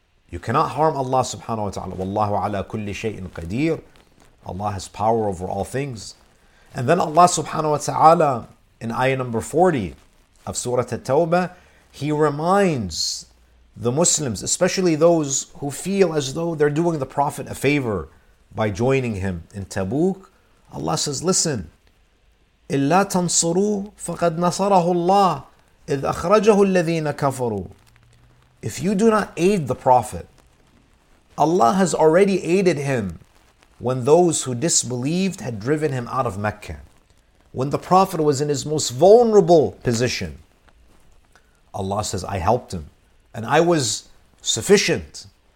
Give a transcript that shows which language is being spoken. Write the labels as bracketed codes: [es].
[en] You cannot harm Allah subhanahu wa ta'ala. [ar] وَاللَّهُ عَلَىٰ كُلِّ شَيْءٍ قَدِيرٍ. [en] Allah has power over all things. And then Allah subhanahu wa ta'ala, in ayah number 40 of Surah At-Tawbah, He reminds the Muslims, especially those who feel as though they're doing the Prophet a favor, by joining him in Tabuk, Allah says, listen, [ar] إِلَّا تَنْصُرُوهُ فَقَدْ نَصَرَهُ اللَّهُ إِذْ أَخْرَجَهُ الَّذِينَ كَفَرُوا. [en] If you do not aid the Prophet, Allah has already aided him when those who disbelieved had driven him out of Mecca. When the Prophet was in his most vulnerable position, Allah says, I helped him and I was sufficient.